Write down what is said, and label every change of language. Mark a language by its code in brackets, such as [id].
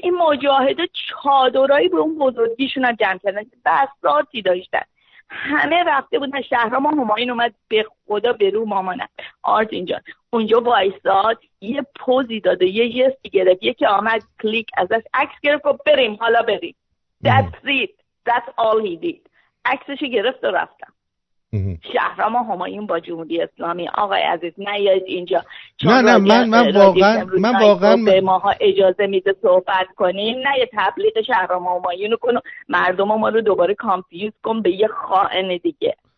[fa] این مجاهده چادرایی به اون بزرگیشون هم جمع کردن، بساطی داشتن، همه رفته بودن شهر. ما همایون اومد به خدا به رو مامانم آرت اینجا اونجا وایساد، یه پوزی داد، یه جستی گرفت، یکی آمد کلیک ازش عکس گرفت و بریم، حالا بریم. [en] That's it, that's all he did. [fa] عکسشو گرفت و رفتم. شهرام همایون با جمهوری اسلامی، آقای عزیز نیاید اینجا. نه نه، من واقعا به ماها اجازه میده صحبت کنیم، نه یه تبلیغ شهرام همایون رو کن و مردم ما رو دوباره کانفیوز کن به یه خائن دیگه.